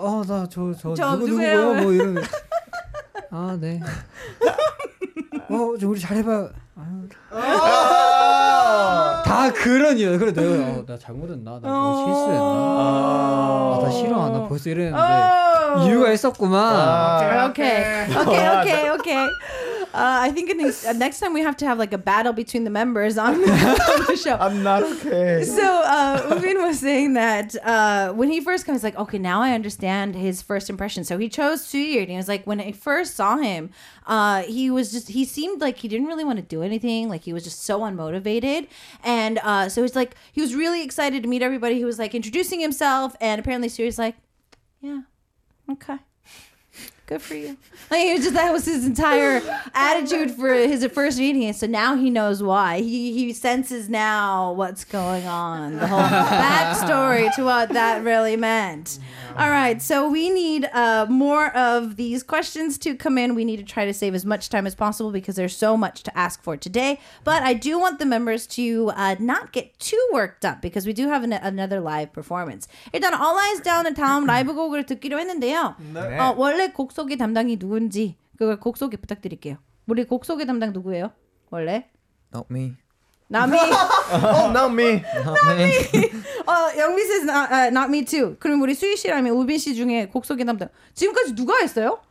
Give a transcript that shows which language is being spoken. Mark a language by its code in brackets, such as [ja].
[ko] 아, 나 저 누구예요? 뭐 이런. 아, 네. 어, 좀 우리 잘해봐. 다 그런 이유. 그래, 내가 나 잘못했나? 나 뭐 실수했나? 아, 나 싫어하나? 벌써 이랬는데 이유가 있었구만. 오케이. [en] I think next time we have to have like a battle between the members on the show. I'm not okay. So Ubin was saying that when he first comes, like, okay, now I understand his first impression. So he chose Suyeon, and he was like, when I first saw him, he seemed like he didn't really want to do anything. Like he was just so unmotivated. And so it's like he was really excited to meet everybody. He was like introducing himself, and apparently Suyeon's like, yeah, okay. Good for you. Like, it was just, that was his entire attitude for his first meeting. So now he knows why. He senses now what's going on. The whole backstory to what that really meant. All right, so we need more of these questions to come in. We need to try to save as much time as possible because there's so much to ask for today. But I do want the members to not get too worked up because we do have another live performance. [ko] 일단 All Eyes Down은 다음 라이브 곡을 듣기로 했는데요. 네. 원래 곡 소개 담당이 누군지 그걸 곡 소개 부탁드릴게요. 우리 곡 소개 담당 누구예요? 원래? [en] Not me. Not me. Oh, not me. Not me. 영미 says not me too. [ko] 그럼 우리 수희 씨라면 우빈 씨 중에 곡 소개 담당 지금까지 누가 했어요?